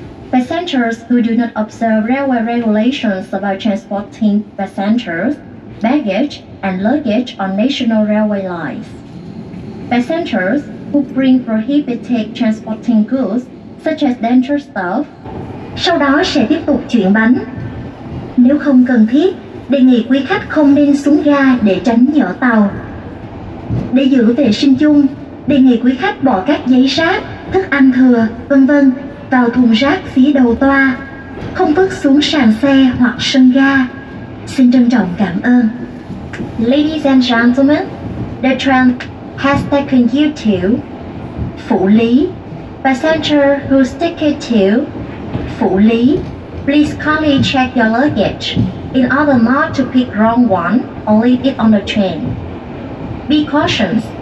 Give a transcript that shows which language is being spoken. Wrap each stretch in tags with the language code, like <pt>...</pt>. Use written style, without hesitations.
<en>Passengers who do not observe railway regulations about transporting passengers, baggage, and luggage on national railway lines. Passengers who bring prohibited transporting goods, such as dangerous stuff.</en> <vi>Sau đó sẽ tiếp tục chuyển bánh. Nếu không cần thiết, đề nghị quý khách không nên xuống ga để tránh nhỡ tàu. Để giữ vệ sinh chung, đề nghị quý khách bỏ các giấy rác, thức ăn thừa, vân vân vào thùng rác phía đầu toa, không vứt xuống sàn xe hoặc sân ga. Xin trân trọng cảm ơn.</vi> <en>Ladies and gentlemen, the train has taken you to Phủ Lý. Passenger who's ticket to Phủ Lý, please kindly check your luggage in order not to pick wrong one or leave it on the train. Be cautious.</en>